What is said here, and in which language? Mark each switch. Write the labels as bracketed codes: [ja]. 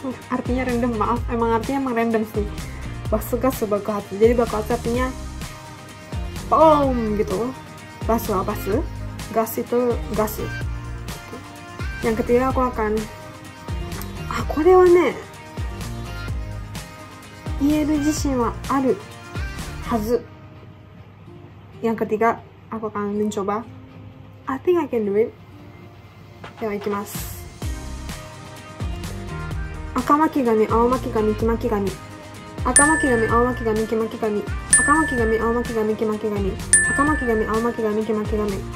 [id] Artinya random, maaf, emang artinya emang random sih. Basu gasu bakuhatsu, jadi bakuhatsu artinya boom gitu. Basu apa sih? Gas itu gas. Yang ketiga aku akan [ja] これはね、言える自信はあるはず。 [id] Yang ketiga, aku akan mencoba. [en] I think I can do it. [ja] では行きます。赤巻き髪、青巻き髪、黄巻き髪。赤巻き髪、青巻き髪、黄巻き髪。赤巻き髪、青巻き髪、黄巻き髪。赤巻き髪、青巻き髪、黄巻き髪。